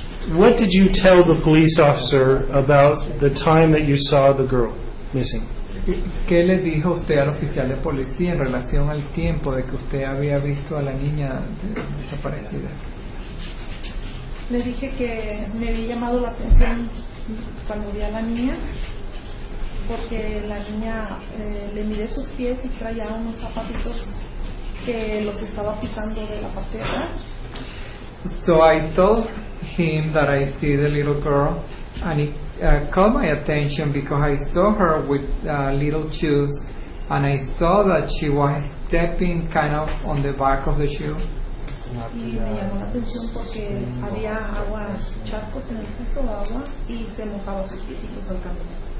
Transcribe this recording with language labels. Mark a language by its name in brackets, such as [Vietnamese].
[English] What did you tell the police officer about the time that you saw the girl missing? [Spanish] ¿Qué le dijo usted al oficial de policía en relación al tiempo de que usted había visto a la niña desaparecida? Le dije que me había llamado la atención cuando vi a la niña, porque la niña, le miré sus pies y traía unos zapatitos que los estaba pisando de la patera. [English] So I told him that I see the little girl, and it caught my attention because I saw her with little shoes, and I saw that she was stepping kind of on the back of the shoe. [Spanish] Y me llamó la atención porque había agua, charcos en el piso de agua, y se mojaba sus piecitos al caminar.